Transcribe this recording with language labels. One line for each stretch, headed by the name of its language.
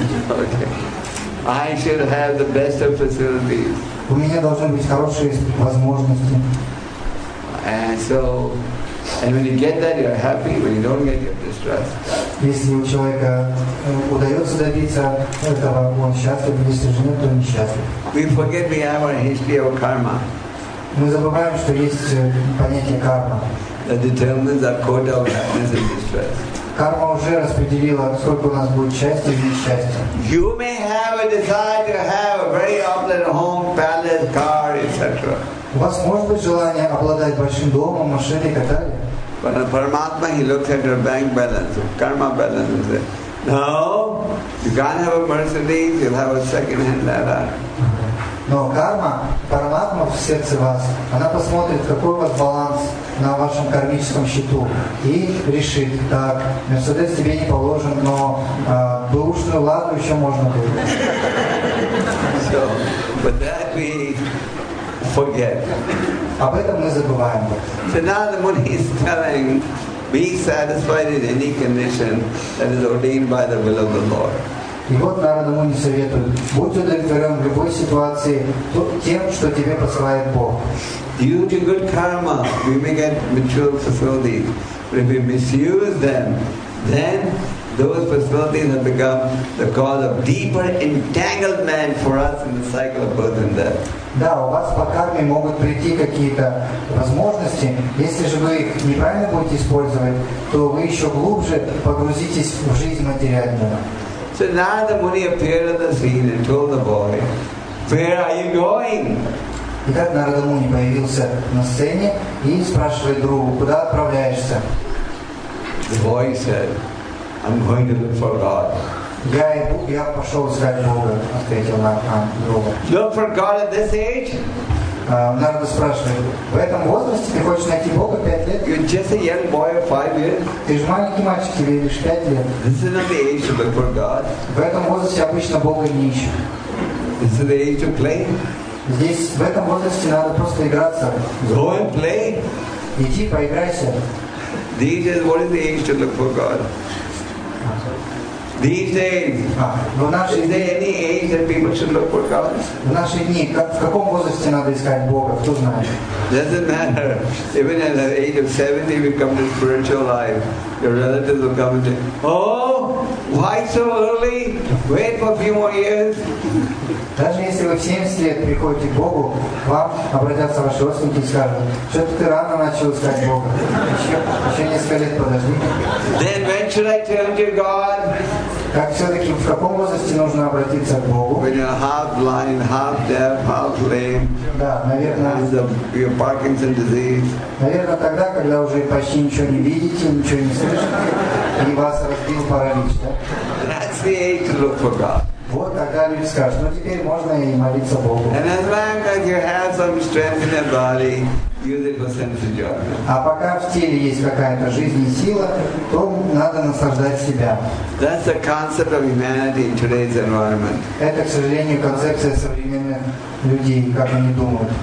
English: Okay. I should have the best of facilities.
Russian: У меня должны быть хорошие возможности.
English: And so, and when you get that, you're happy. When you don't get, you're distressed.
Russian: Если у человека удается добиться этого, он счастлив. Если же нет, то он несчастлив.
English: We forget we have a history of karma.
Russian: Мы забываем, что есть понятие карма.
English: That determines our quota of happiness and distress.
Russian: Карма уже распределила, сколько у нас будет счастья или несчастья.
English: You may have a desire to have a very opulent home, palace, car, etc.
Russian: У вас может быть желание обладать большим домом, машиной, и так далее.
English: But the Paramatma, he looks at your bank balance, karma balance, and says, no, you can't have a Mercedes, you'll have a second-hand ladder.
Russian: Но карма, Параматма в сердце вас, она посмотрит, какой у вас баланс на вашем кармическом счету, и решит, так, Мерседес тебе не положен, но бэушную ладу еще можно купить.
English: So, but that we forget.
Russian: Об этом мы забываем.
English: So now the Muni is telling, be satisfied in any condition that is ordained by the will of the Lord.
Russian: И вот Нарада Муни советует, будь удовлетворен в любой ситуации тем, что тебе посылает Бог.
English: Due to good karma, we may get material facilities. But if we misuse them, then those facilities have become the cause of deeper entanglement for us in the cycle of birth and death.
Russian: Да, у вас по карме могут прийти какие-то возможности. Если же вы их неправильно будете использовать, то вы еще глубже погрузитесь в жизнь материальную.
English: So Narada Muni appeared on the scene and told the boy, where are you going?
Russian: И так Нарада Муни появился на сцене и спрашивает друга, куда отправляешься?
English: The boy said, I'm going to look for God.
Russian: Я пошел искать Бога, ответил друга.
English: Look for God at this age?
Russian: Нарада спрашивает, в этом возрасте ты хочешь найти Бога 5 лет?
English: You're just a young boy of 5 years.
Russian: Ты же маленький мальчик, тебе лишь 5 лет.
English: This is not the age to look for God.
Russian: В этом возрасте обычно Бога не ищут.
English: This is the age to play.
Russian: Здесь, в этом возрасте, надо просто играться.
English: Go and play.
Russian: Иди, поиграйся.
English: These days, what is the age to look for God? These days, is there any age that people should look for God?
Russian: В наши дни, в каком возрасте надо искать Бога, кто знает?
English: Doesn't matter. Even at the age of 70, we come to spiritual life. Your relatives will come and say, oh, why so early? Wait for a few more years.
Russian: Даже если вы в 70 лет приходите к Богу, к вам обратятся ваши родственники и скажут, что ты рано начал искать Бога. Еще несколько лет подожди.
English: Then when should I turn to God?
Russian: Как все-таки, в каком возрасте нужно обратиться к Богу?
English: When you're half blind, half deaf, half lame.
Russian: Да, наверное.
English: Your Parkinson's disease.
Russian: Наверное, тогда, когда уже почти ничего не видите, ничего не слышите, и вас разбил паралич. Да?
English: That's the age to look for God.
Russian: Вот тогда люди скажут, ну теперь можно и молиться Богу.
English: And as long as you have some strength in your body, use it for sense enjoyment.
Russian: А пока в теле есть какая-то жизнь и сила, то надо наслаждать себя.
English: That's the concept of humanity in today's environment.
Russian: Это, к сожалению, концепция современных людей, как они думают.